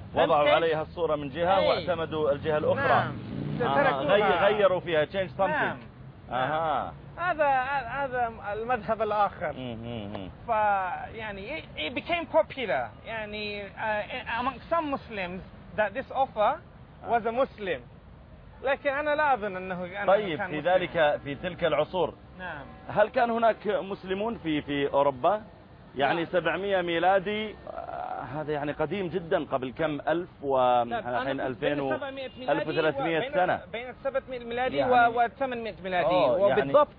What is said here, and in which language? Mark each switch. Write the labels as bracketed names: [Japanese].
[Arabic] وضعوا عليها الصورة من جهة واعتمدوا الجهة الأخرى غيروا فيها [English] change something [Arabic] نعم. هذا المذهب الآخر فيعني [English] it became popular [Arabic] يعني [English] among some Muslims that this offer was a Muslim [Arabic] لكن أنا لا أظن أنه أنا طيب في ذلك في تلك العصور نعم هل كان هناك مسلمون في أوروبا يعني 700 ميلادي هذا يعني قديم جدا قبل كم ألف وحين 2300 سنة بين 700 ميلادي يعني و800 ميلادي وبالضبط